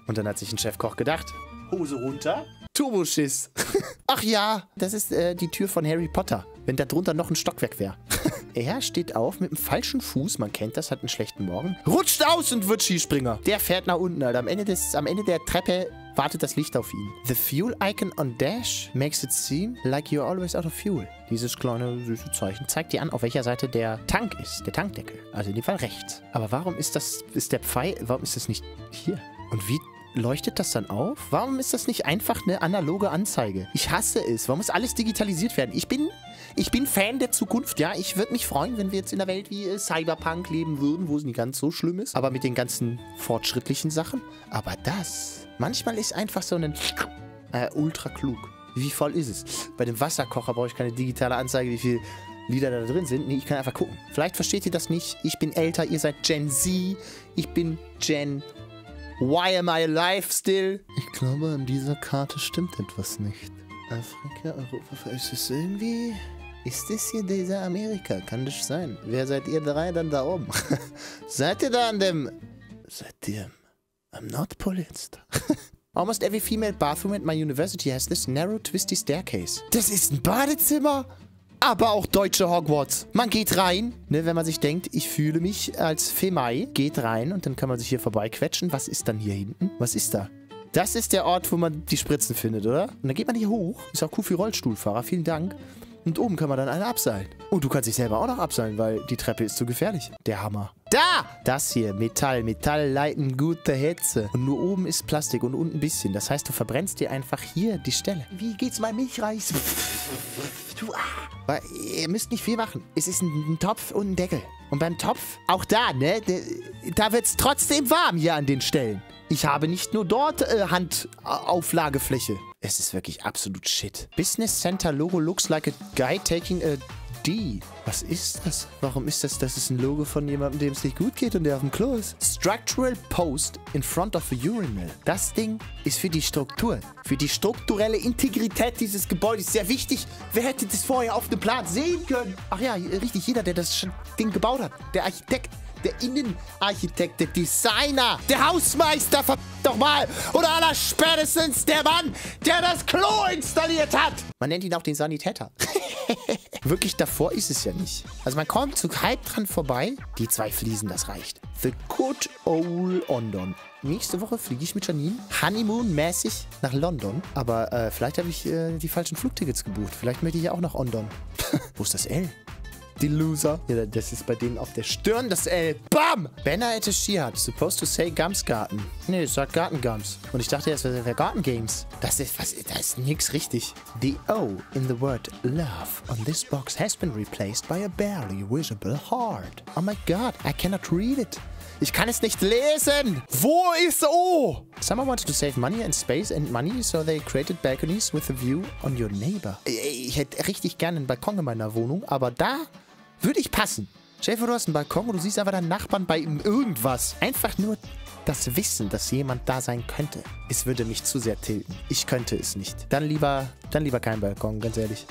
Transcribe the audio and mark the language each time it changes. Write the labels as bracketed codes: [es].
[de] Und dann hat sich ein Chefkoch gedacht, Hose runter, Turboschiss. Ach ja, das ist, die Tür von Harry Potter, wenn da drunter noch ein Stockwerk wäre. Er steht auf mit dem falschen Fuß, man kennt das, hat einen schlechten Morgen, rutscht aus und wird Skispringer. Der fährt nach unten, Alter, am Ende der Treppe wartet das Licht auf ihn. [en] The fuel icon on dash makes it seem like you're always out of fuel. [de] Dieses kleine süße Zeichen zeigt dir an, auf welcher Seite der Tank ist, der Tankdeckel. Also in dem Fall rechts. Aber warum ist das, ist der Pfeil, warum ist das nicht hier? Und wie leuchtet das dann auf? Warum ist das nicht einfach eine analoge Anzeige? Ich hasse es. Warum muss alles digitalisiert werden? Ich bin Fan der Zukunft, ja. Ich würde mich freuen, wenn wir jetzt in einer Welt wie Cyberpunk leben würden, wo es nicht ganz so schlimm ist. Aber mit den ganzen fortschrittlichen Sachen. Aber das, manchmal ist einfach so ein ultra klug. Wie voll ist es? Bei dem Wasserkocher brauche ich keine digitale Anzeige, wie viel Lieder da drin sind. Nee, ich kann einfach gucken. Vielleicht versteht ihr das nicht. Ich bin älter, ihr seid Gen Z. Ich bin Gen [en] Why am I alive still? [de] Ich glaube, an dieser Karte stimmt etwas nicht. Afrika, Europa, ist es irgendwie... Ist das hier dieser Amerika? Kann das sein? Wer seid ihr drei dann da oben? Seid ihr da an dem... Seid ihr am Nordpol jetzt? [en] Almost every female bathroom at my university has this narrow twisty staircase. [de] Das ist ein Badezimmer? Aber auch deutsche Hogwarts. Man geht rein, ne, wenn man sich denkt, ich fühle mich als Femai. Geht rein und dann kann man sich hier vorbeiquetschen. Was ist dann hier hinten? Was ist da? Das ist der Ort, wo man die Spritzen findet, oder? Und dann geht man hier hoch. Ist auch cool für Rollstuhlfahrer. Vielen Dank. Und oben kann man dann alle abseilen. Und du kannst dich selber auch noch abseilen, weil die Treppe ist zu gefährlich. Der Hammer. Da! Das hier, Metall. Metall leiten gute Hitze. Und nur oben ist Plastik und unten ein bisschen. Das heißt, du verbrennst dir einfach hier die Stelle. Wie geht's meinem Milchreis? Du, ah. Weil ihr müsst nicht viel machen. Es ist ein Topf und ein Deckel. Und beim Topf, auch da, ne? Da wird's trotzdem warm hier an den Stellen. Ich habe nicht nur dort Handauflagefläche. Es ist wirklich absolut shit. [en] Business Center Logo looks like a guy taking a D. [de] Was ist das? Warum ist das? Das ist ein Logo von jemandem, dem es nicht gut geht und der auf dem Klo ist. [en] Structural post in front of a urinal. [de] Das Ding ist für die Struktur. Für die strukturelle Integrität dieses Gebäudes sehr wichtig. Wer hätte das vorher auf dem Plan sehen können? Ach ja, richtig, jeder, der das Ding gebaut hat. Der Architekt. Der Innenarchitekt, der Designer, der Hausmeister, verdammt doch mal. Oder aller spätestens der Mann, der das Klo installiert hat. Man nennt ihn auch den Sanitäter. Wirklich, davor ist es ja nicht. Also man kommt zu halb dran vorbei. Die zwei Fliesen, das reicht. [en] The good old London. [de] Nächste Woche fliege ich mit Janine honeymoon-mäßig nach London. Aber vielleicht habe ich die falschen Flugtickets gebucht. Vielleicht möchte ich ja auch nach London. Wo ist das L? die Loser. Ja, das ist bei denen auf der Stirn, das L. Bam! [en] Banner at a Sheehat, supposed to say Gamsgarten. [de] Nee, sagt Gartengams. Und ich dachte erst, das wäre Gartengames. Das ist, was, da ist nix richtig. [en] The O in the word love on this box has been replaced by a barely visible heart. Oh my god, I cannot read it. [de] Ich kann es nicht lesen! Wo ist O? [en] Someone wanted to save money and space and money, so they created balconies with a view on your neighbor. [de] Ich hätte richtig gerne einen Balkon in meiner Wohnung, aber da würde ich passen. Schäfer, du hast einen Balkon und du siehst aber deinen Nachbarn bei ihm irgendwas. Einfach nur das Wissen, dass jemand da sein könnte. Es würde mich zu sehr tilten. Ich könnte es nicht. Dann lieber kein Balkon, ganz ehrlich.